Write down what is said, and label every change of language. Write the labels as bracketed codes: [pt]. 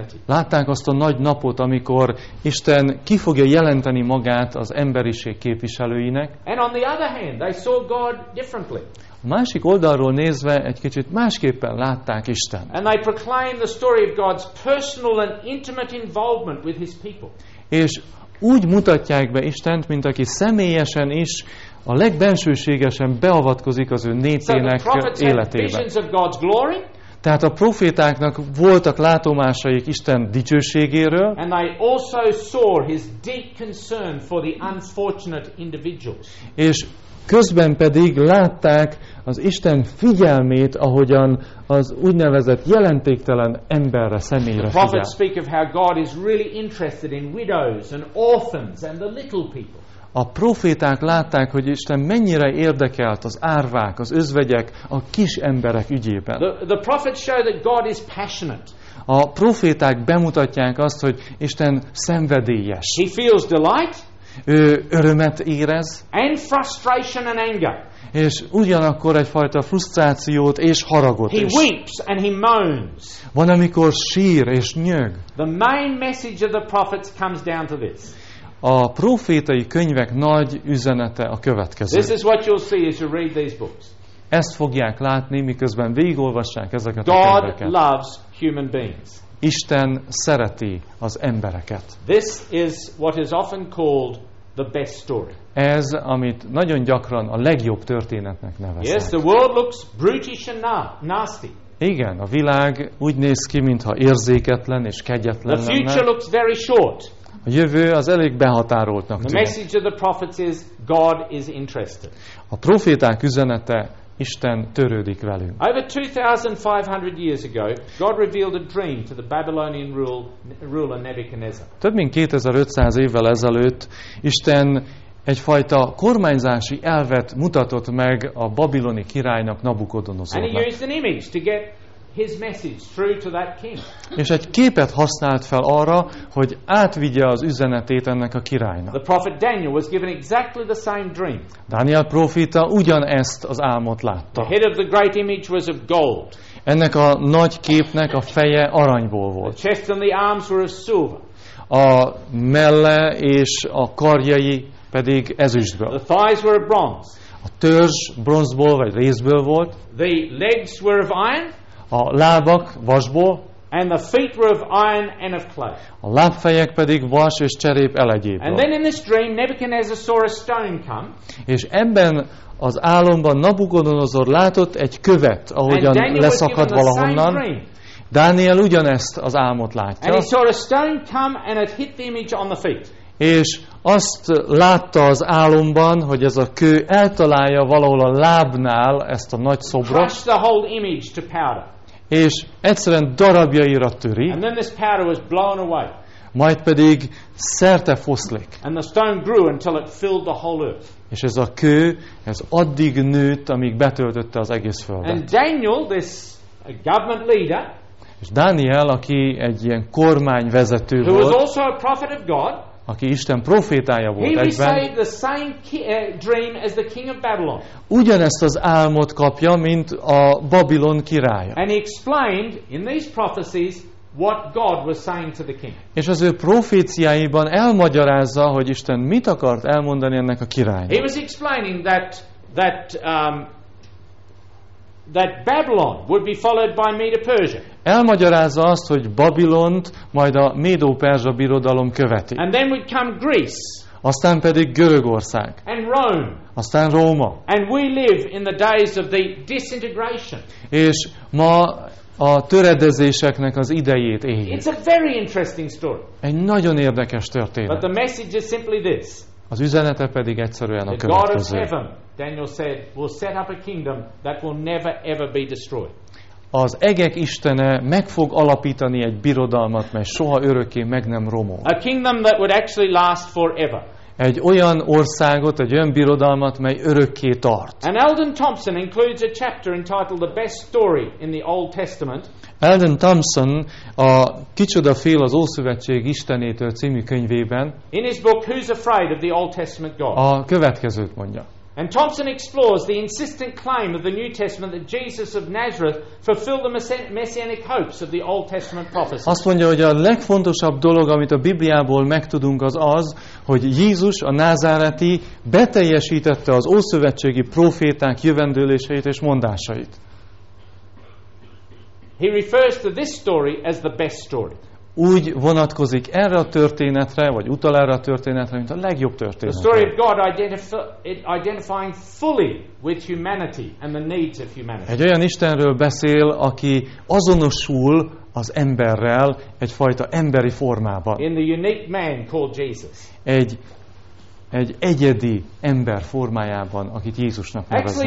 [hu] Látták azt a nagy napot, amikor Isten ki fogja jelenteni magát az emberiség képviselőinek. [en] And on the other hand, they saw God differently. [hu] A másik oldalról nézve egy kicsit másképpen látták Isten. [en] And they proclaim the story of God's personal and intimate involvement with his people. [hu] És úgy mutatják be Istent, mint aki személyesen is a legbensőségesen beavatkozik az ő népének életébe. Tehát a profétáknak voltak látomásaik Isten dicsőségéről, [en] and they also saw his deep concern for the unfortunate individuals. [hu] És közben pedig látták az Isten figyelmét, ahogyan az úgynevezett jelentéktelen emberre, személyre figyel. [en] The prophets speak of how God is really interested in widows and orphans and the little people. [hu] A proféták látták, hogy Isten mennyire érdekelt az árvák, az özvegyek, a kis emberek ügyében. [en] The prophets show that God is passionate. [hu] A proféták bemutatják azt, hogy Isten szenvedélyes. [en] He feels delight. [hu] Ő örömet érez. [en] And frustration and anger. [hu] És ugyanakkor egyfajta frusztrációt és haragot [en] he is. He weeps and he moans. [hu] Van, amikor sír és nyög. [en] The main message of the prophets comes down to this. [hu] A prófétai könyvek nagy üzenete a következő. [en] This is what you'll see as you read these books. [hu] Ezt fogják látni, miközben végigolvassák ezeket [en] God [hu] a könyveket. [en] Loves human beings. [hu] Isten szereti az embereket. [en] This is what is often called the best story. [hu] Ez, amit nagyon gyakran a legjobb történetnek neveznek. [en] Yes, the world looks brutish and nasty. [hu] Igen, a világ úgy néz ki, mintha érzéketlen és kegyetlen lenne. [en] The future lenne. Looks very short. [hu] A jövő az elég behatároltnak tűnik. [en] The message of the prophets is God is interested. [hu] A proféták üzenete, Isten törődik velünk. [en] Over 2500 years ago, God revealed a dream to the Babylonian ruler Nebuchadnezzar. [hu] Több mint 2500 évvel ezelőtt Isten egyfajta kormányzási elvet mutatott meg a babiloni királynak, Nabukodonozornak. [en] And he used an image to get his message through to that king. [hu] És egy képet használt fel arra, hogy átvigye az üzenetét ennek a királynak. [en] The prophet Daniel was given exactly the same dream. [hu] Dániel proféta ugyanezt az álmot látta. [en] The head of the great image was of gold. [hu] Ennek a nagy képnek a feje aranyból volt. [en] The chest and the arms were of silver. [hu] A melle és a karjai pedig ezüstből. [en] The thighs were of bronze. [hu] A törzs bronzból vagy részből volt. [en] The legs were of iron. [hu] A lábak vasból, [en] and the feet were of iron and of clay. [hu] A lábfejek pedig vas és cserép elegyéből. [en] And then in this dream, Nebuchadnezzar saw a stone come. [hu] És ebben az álomban Nabukodonozor látott egy követ, ahogyan leszakadt valahonnan. Dániel ugyanezt az álmot látja. [en] And he saw a stone come and it hit the image on the feet. [hu] És azt látta az álomban, hogy ez a kő eltalálja valahol a lábnál ezt a nagy szobrot. [en] Crushed the whole image to powder. [hu] És egyszerűen darabjaira töri. [en] And then this powder was blown away. [hu] majd pedig szerte foszlik. [en] And the stone grew until it filled the whole earth. [hu] És ez a kő, ez addig nőtt, amíg betöltötte az egész földet. [en] And Daniel, this government leader, [hu] és Dániel, aki egy ilyen kormányvezető [en] who [hu] volt, [en] was also a prophet of God, [hu] aki Isten profétája volt egyben, [en] the same dream as the king of Babylon. [hu] Ugyanezt az álmot kapja, mint a Babilon királya. [en] And he explained in these prophecies what God was saying to the king. [hu] És az ő proféciáiban elmagyarázza, hogy Isten mit akart elmondani ennek a királynak. [en] He was explaining that Babylon would be followed by Medo-Persia. [hu] Elmagyarázza azt, hogy Babilont majd a Médó-Perzsa birodalom követi. [en] And then would come Greece. [hu] Aztán pedig Görögország. [en] And Rome. [hu] Aztán Róma. [en] And we live in the days of the disintegration. [hu] És ma a töredezéseknek az idejét éljük. [en] It's a very interesting story. [hu] Egy nagyon érdekes történet. [en] But the message is simply this. [hu] Az üzenete pedig egyszerűen a következő. [en] God of heaven, Daniel said, will set up a kingdom that will never ever be destroyed. [hu] Az egek Istene meg fog alapítani egy birodalmat, mely soha örökké meg nem romol. [en] A kingdom that would actually last forever. [hu] Egy olyan országot, egy olyan birodalmat, mely örökké tart. [en] And Eldon Thompson includes a chapter entitled The Best Story in the Old Testament. [hu] Eldon Thompson a Kicsoda fél az Ószövetség Istenétől című könyvében. [en] In his book Who's Afraid of the Old Testament God? [hu] A következőt mondja. [en] And Thompson explores the insistent claim of the New Testament that Jesus of Nazareth fulfilled the messianic hopes of the Old Testament prophecy. [hu] Azt mondja, hogy a legfontosabb dolog, amit a Bibliából megtudunk, az az, hogy Jézus a názáreti beteljesítette az ószövetségi proféták jövendőléseit és mondásait. [en] He refers to this story as the best story. [hu] Úgy vonatkozik erre a történetre, vagy utal erre a történetre, mint a legjobb történetre. [en] The story of God identifying fully with humanity and the needs of humanity. [hu] Egy olyan Istenről beszél, aki azonosul az emberrel egyfajta emberi formában. [en] In the unique man called Jesus. [hu] Egy egyedi ember formájában, akit Jézusnak neveznek.